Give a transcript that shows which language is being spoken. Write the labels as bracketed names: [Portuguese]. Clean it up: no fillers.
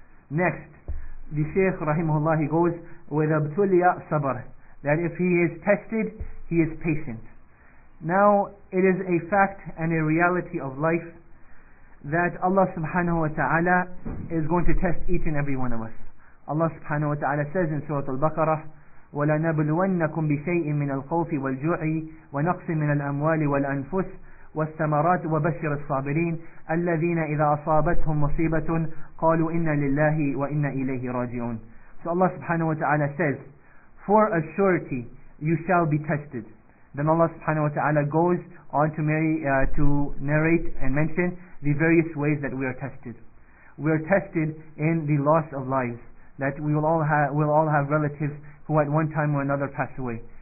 [English] Next, the Shaykh rahimahullah, he goes, [Arabic] وَذَبْتُلِيَ [English] sabr. That if he is tested, he is patient. Now, it is a fact and a reality of life that Allah subhanahu wa ta'ala is going to test each and every one of us. Allah subhanahu wa ta'ala says in Surah Al-Baqarah, [Arabic] وَلَنَبْلُوَنَّكُمْ بِشَيْءٍ مِّنَ الْخَوْفِ وَالْجُوعِ وَنَقْصٍ مِّنَ الْأَمْوَالِ وَالْأَنفُسِ وَالثَّمَرَاتِ وَبَشِّرِ الصَّابِرِينَ الَّذِينَ إِذَا أَصَابَتْهُمْ مُصِيبَةٌ قَالُوا إِنَّ لِلَّهِ وَإِنَّ إِلَيْهِ رَاجِعُونَ. [English] So Allah subhanahu wa ta'ala says, for a surety, you shall be tested. Then Allah subhanahu wa ta'ala goes on to narrate and mention the various ways that we are tested. We are tested in the loss of lives, that we'll all have relatives who at one time or another pass away.